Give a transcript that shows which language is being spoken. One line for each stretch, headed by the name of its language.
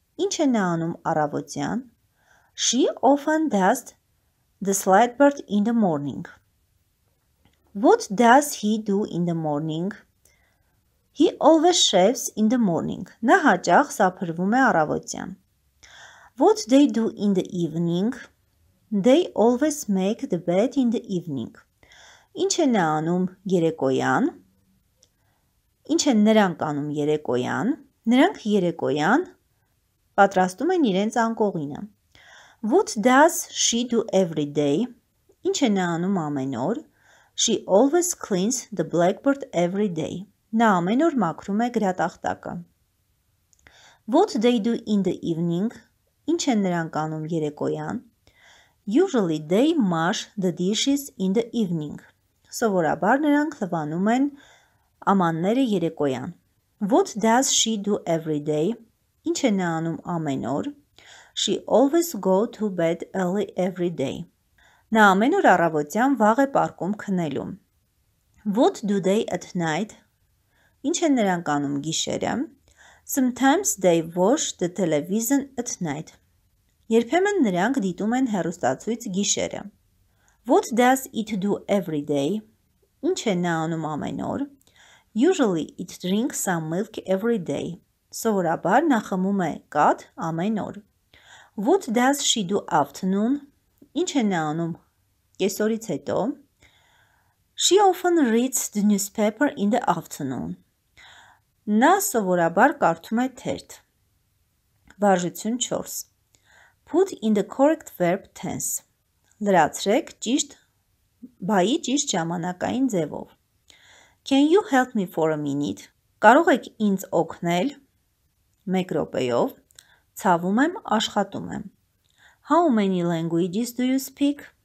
Armenian: Ինչ է նա անում առավոտյան։
English: She often does the slide bird in the morning. What does he do in the morning? He always shaves in the morning.
Armenian: Նա հաճախ սափրվում է առավոտյան։
English: What they do in the evening? They always make the bed in the evening.
Armenian: Ինչ են անում երեկոյան? Ինչ են նրանք անում երեկոյան? Նրանք երեկոյան պատրաստում են իրենց անկողինը։
English: What does she do every day?
Armenian: Ինչ են անում ամեն օր?
English: She always cleans the blackboard every day.
Armenian: Նա ամեն օր մաքրում է գրատախտակը։
English: What they do in the evening?
Armenian: Ինչ են նրանք անում երեկոյան?
English: Usually they mash the dishes in the evening.
Armenian: Սովորաբար նրանք լվանում են ամանները երեկոյան։
English: What does she do every day?
Armenian: Ինչ են անում ամեն օր?
English: She always go to bed early every day.
Armenian: Նա ամեն օր առավոտյան վաղ է պարկում քնելու։
English: What do they at night?
Armenian: Ինչ են նրանք անում գիշերը?
English: Sometimes they watch the television at night.
Armenian: Երբեմն նրանք դիտում են հեռուստացույց գիշերը։
English: What does it do every day?
Armenian: Ինչ է նա անում ամեն օր?
English: Usually it drinks some milk every day.
Armenian: Սովորաբար նա խմում է կաթ ամեն օր։
English: What does she do afternoon?
Armenian: Ինչ է նա անում կեսօրից հետո?
English: She often reads the newspaper in the afternoon.
Armenian: Նա սովորաբար կարդում է թերթ։ Վարժություն 4.
English: Put in the correct verb tense.
Armenian: Լրացրեք ճիշտ բայի ճիշտ ժամանակային ձևով։
English: Can you help me for a minute?
Armenian: Կարող եք ինձ օգնել 1 րոպեով։ Ցավում եմ, աշխատում եմ։
English: How many languages do you speak?